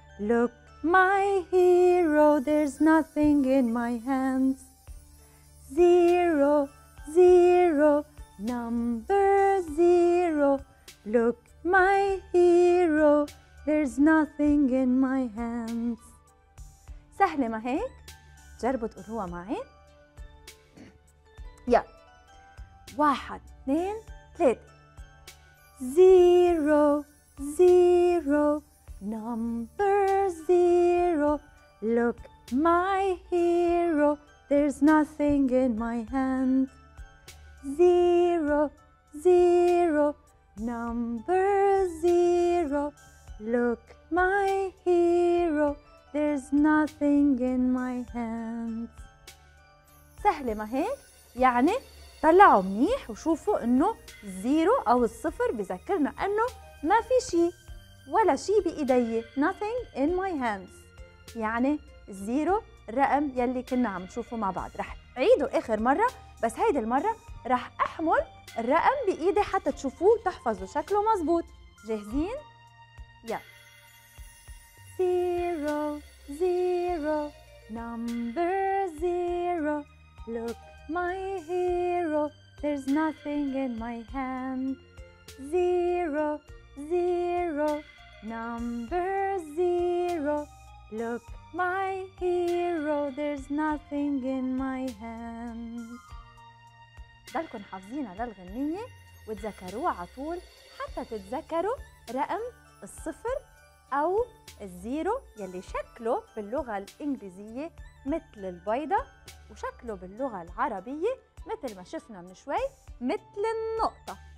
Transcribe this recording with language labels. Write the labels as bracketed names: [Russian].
[English] Look, my hero, there's nothing in my hands. Zero, zero, number zero. Look, my hero, there's nothing in my hands. [Arabic] سهلة ما هيك؟ جربوا تقولوها معي. يلا. واحد، اثنين، ثلاثة. [English] Zero, zero, number zero. Look, my hero, there's nothing in my hand. Zero, zero, number zero. Look, my hero, there's nothing in my hand. [Arabic] سهلة ما هيك؟ يعني طلعوا منيح وشوفوا انه الزيرو او الصفر بذكرنا انه ما في شيء ولا شيء بايدي. [English] Nothing in my hands. [Arabic] يعني الزيرو الرقم يلي كنا عم نشوفه مع بعض. رح عيده اخر مره، بس هيدي المره رح احمل الرقم بايدي حتى تشوفوه وتحفظوا شكله مزبوط. جاهزين؟ يلا. [English] Zero, zero, number zero. Look, my hero, there's nothing in my hand. Zero, zero, number zero. Look, my hero, there's nothing in my hand. [Arabic] ضلكن حافظينها للغنية وتذكروها على طول حتى تتذكروا رقم الصفر أو الزيرو يلي شكله باللغة الإنجليزية مثل البيضة وشكله باللغة العربية مثل ما شفنا من شوي مثل النقطة.